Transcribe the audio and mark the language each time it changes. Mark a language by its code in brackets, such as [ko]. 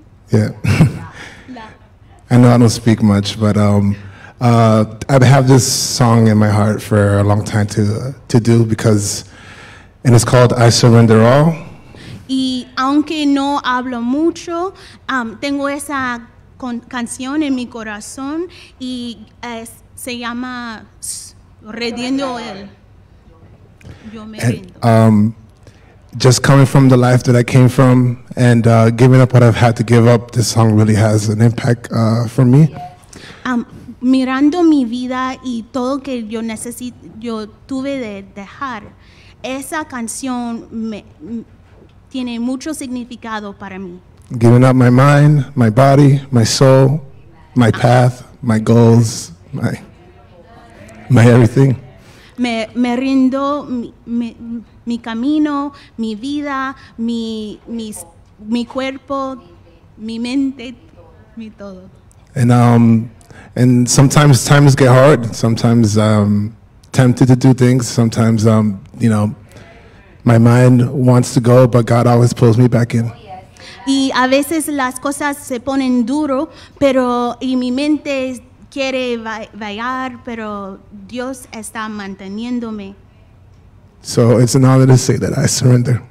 [en] Yeah. I know I don't speak much, but I have this song in my heart for a long time to do because. And it's called I Surrender All. [es] Y aunque no hablo mucho, tengo esa canción en mi corazón y se llama Rendiendo Él. Yo me rindo. [en] Just coming from the life that I came from and giving up what I've had to give up, this song really has an impact for me. [es] Mirando mi vida y todo que yo yo tuve de dejar, esa canción tiene mucho significado para mí. [en] Giving up my mind, my body, my soul, my path, my goals, my everything. [es] Me rindo mi camino, mi vida, mi cuerpo, mi mente, mi todo. [en] And sometimes times get hard. Sometimes I'm tempted to do things. Sometimes my mind wants to go, but God always pulls me back in. [es] Y a veces las cosas se ponen duro, pero y mi mente quiere vagar, pero Dios está manteniéndome. [en] So it's an honor to say that I surrender.